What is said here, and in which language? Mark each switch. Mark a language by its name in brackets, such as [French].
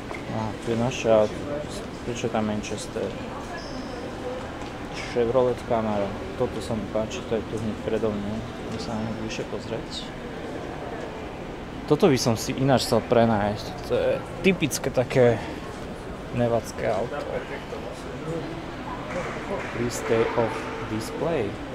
[Slovak] A tu je naša, prečo je tam Manchester? Chevrolet Camaro. Toto sa mi páči, to je tu hneď predo mňa. Môžem sa na nej bližšie pozrieť. Toto by som si ináč chcel prenájsť. To je typické také nevadské auto. [English] Please stay off display.